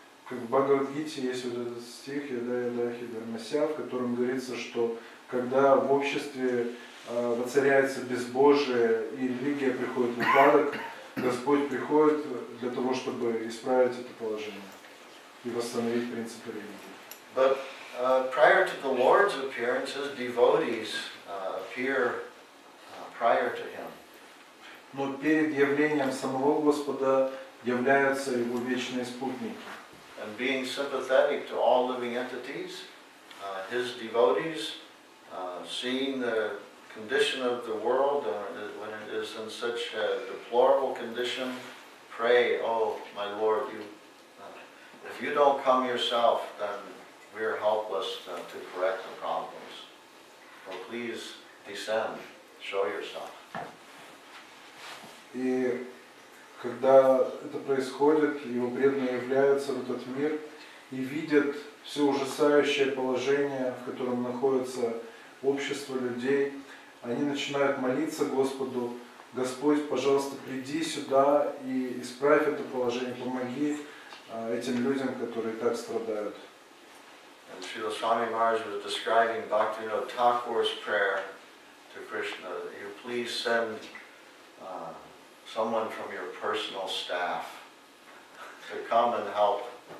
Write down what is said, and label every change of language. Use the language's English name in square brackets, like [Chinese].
[Russian] В Бхагавад-гите есть вот этот стих, яда-яда-хи-дармася, в котором говорится, что когда в обществе воцаряется безбожие и религия приходит в упадок, Господь приходит для того, чтобы исправить это положение и восстановить принципы религии. [English] Prior to the Lord's appearance, his devotees appear prior to him. [Russian] Но перед явлением самого Господа являются его вечные спутники. [English] And being sympathetic to all living entities, his devotees, seeing the condition of the world when it is in such a deplorable condition, pray, oh my Lord, if you don't come yourself, then we are helpless to correct the problems. So please descend, show yourself. [Russian] И когда это происходит, его преданные являются в этот мир и видят все ужасающее положение, в котором находится общество людей, они начинают молиться Господу: Господь, пожалуйста, приди сюда и исправь это положение, помоги этим людям, которые так страдают. [English] And Srila Swami Maharaj was describing Bhaktivinoda Thakur's prayer to Krishna, you please send someone from your personal staff to come and help.